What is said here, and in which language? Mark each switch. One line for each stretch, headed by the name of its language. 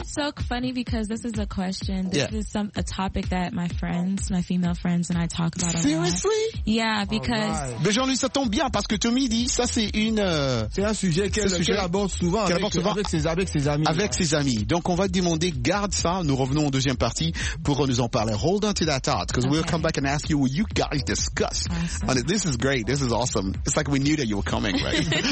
English: It's so funny because this is a question. This is a topic that my friends, my female friends and I talk about. Seriously? Yeah, because. Right.
French: Mais Jean-Louis, ça tombe bien parce que Tommy dit, ça c'est une. C'est un sujet qu'elle aborde souvent. Avec ses amis. Avec ses amis. Donc on va te demander, garde ça. Nous revenons en deuxième partie pour nous en parler.
English: Hold on to that thought because we'll come back and ask you what you guys discuss. Awesome. This is great. This is awesome. It's like we knew that you were coming, right?